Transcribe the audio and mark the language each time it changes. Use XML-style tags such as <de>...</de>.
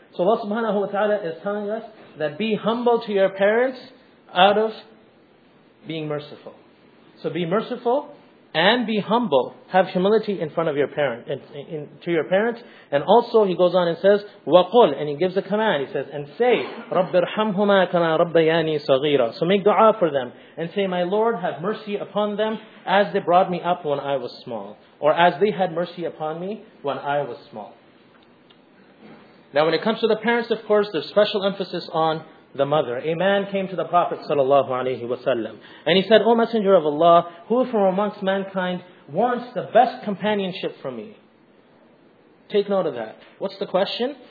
<en>So Allah subhanahu wa ta'ala is telling us that be humble to your parents out of being merciful. So be merciful and be humble. Have humility in front of your parent, to your parents. And also He goes on and says, وَقُلْ, and He gives a command. He says, and say,</en> <ar>رَبِّ ارْحَمْهُمَا كَمَا رَبَّيَانِي صَغِيرًا.</ar> <en>So make dua for them. And say, my Lord, have mercy upon them as they brought me up when I was small. Or as they had mercy upon me when I was small. Now when it comes to the parents, of course, there's special emphasis on the mother. A man came to the Prophet sallallahu alaihi wasallam, and he said, O Messenger of Allah, who from amongst mankind warrants the best companionship for me? Take note of that. What's the question?</en>